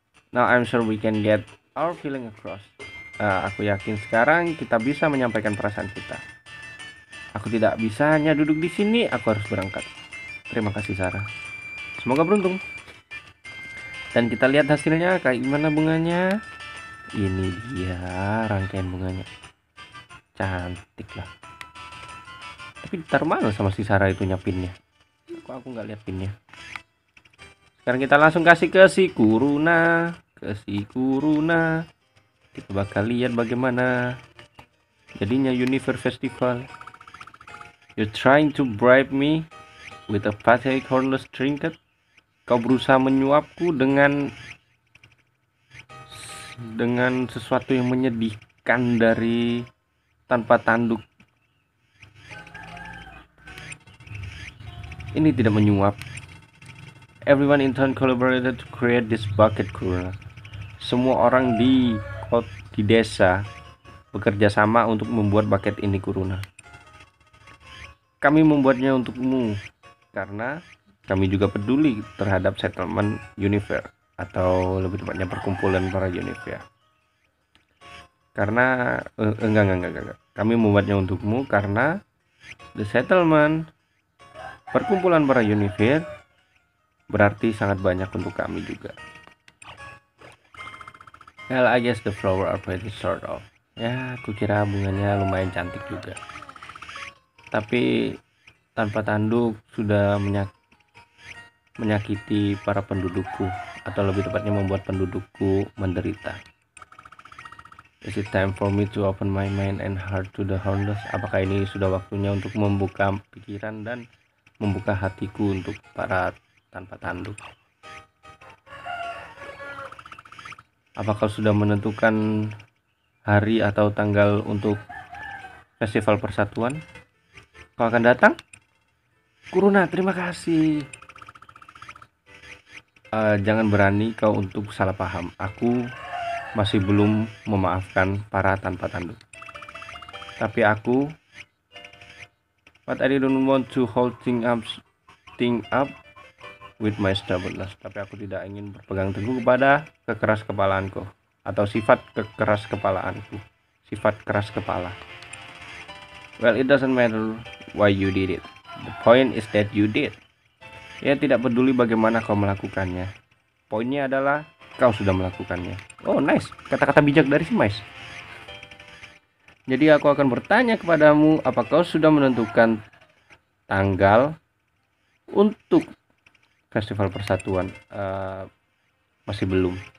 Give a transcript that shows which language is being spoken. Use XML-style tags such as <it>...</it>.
<en>Now I'm sure we can get our feeling across.</en> <id>Aku yakin sekarang kita bisa menyampaikan perasaan kita. Aku tidak bisa hanya duduk di sini, aku harus berangkat. Terima kasih, Sarah. Semoga beruntung. Dan kita lihat hasilnya, kayak gimana bunganya. Ini dia rangkaian bunganya. cantik lah. Tapi ntar mana sama si Sarah itu nyapinnya? Kok aku nggak lihat pinnya? Sekarang kita langsung kasih ke si Kuruna, ke si Kuruna. Kita bakal lihat bagaimana jadinya Universe Festival.</id> <en>You're trying to bribe me with a pathetic hornless trinket.</en> <id>Kau berusaha menyuapku dengan sesuatu yang menyedihkan dari tanpa tanduk. Ini tidak menyuap.</id> <en>Everyone in town collaborated to create this bucket, Kuruna.</en> <id>Semua orang di desa bekerja sama untuk membuat bucket ini, Kuruna. Kami membuatnya untukmu karena kami juga peduli terhadap settlement universe, atau lebih tepatnya perkumpulan para universe. Karena enggak. Kami membuatnya untukmu karena the settlement perkumpulan para universe berarti sangat banyak untuk kami juga.</id> <en>Well, I guess the flower are pretty sort of.</en> <id>Ya, aku kira bunganya lumayan cantik juga. Tapi tanpa tanduk sudah menyakiti para pendudukku, atau lebih tepatnya membuat pendudukku menderita.</id> <en>Is it time for me to open my mind and heart to the hornless?</en> <id>Apakah ini sudah waktunya untuk membuka pikiran dan membuka hatiku untuk para tanpa tanduk? Apakah sudah menentukan hari atau tanggal untuk festival persatuan? Kau akan datang? Kuruna, terima kasih. Jangan berani kau untuk salah paham. Aku masih belum memaafkan para tanpa tanduk. Tapi aku,</id> <en>but I don't want to hold thing up with my stubbornness.</en> <id>Tapi aku tidak ingin berpegang teguh kepada kekeras kepalaanku, atau sifat kekeras kepalaanku, sifat keras kepala.</id> <en>Well, it doesn't matter why you did it. The point is that you did.</en> <id>Ya, tidak peduli bagaimana kau melakukannya. Poinnya adalah kau sudah melakukannya.</id> <en>Oh, nice.</en> <id>Kata-kata bijak dari si Mais. Jadi aku akan bertanya kepadamu, apa kau sudah menentukan tanggal untuk Festival Persatuan? Masih belum.</id>